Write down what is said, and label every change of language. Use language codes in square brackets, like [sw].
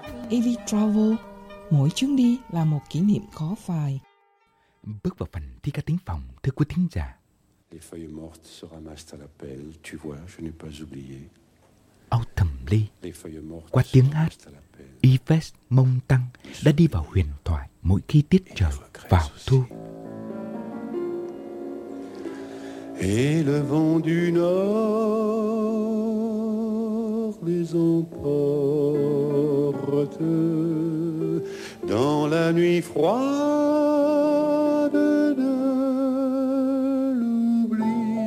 [vi] AV Travel, mỗi chuyến đi là một kỷ niệm khó phai. Bước vào phần thi ca tiếng phòng, thưa quý thính giả. [fr] Les feuilles mortes se ramassent à l'appel, tu vois, je n'ai pas oublié. [vi] Autumn Lee, qua tiếng hát, Yves Mông Tăng đã đi vào huyền thoại mỗi khi tiết trời vào thu. [fr] Et le vent du nord les emporte dans la nuit froide de l'oubli.